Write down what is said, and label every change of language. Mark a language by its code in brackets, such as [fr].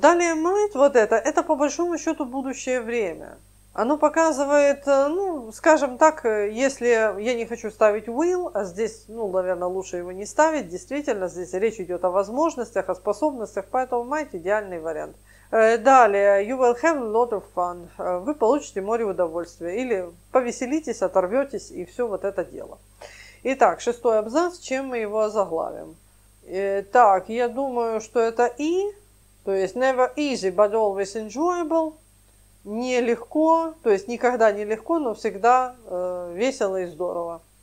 [ru] Далее might вот это по большому счету будущее время. Оно показывает, ну, скажем так, если я не хочу ставить will, а здесь, ну, наверное, лучше его не ставить, действительно, здесь речь идет о возможностях, о способностях, поэтому might идеальный вариант. [en] Далее, you will have a lot of fun. [ru] Вы получите море удовольствия. Или повеселитесь, оторветесь и все вот это дело. Итак, шестой абзац, чем мы его заглавим? Так, я думаю, что это и, то есть [en] never easy, but always enjoyable. [ru] Нелегко, то есть никогда не легко, но всегда весело и здорово.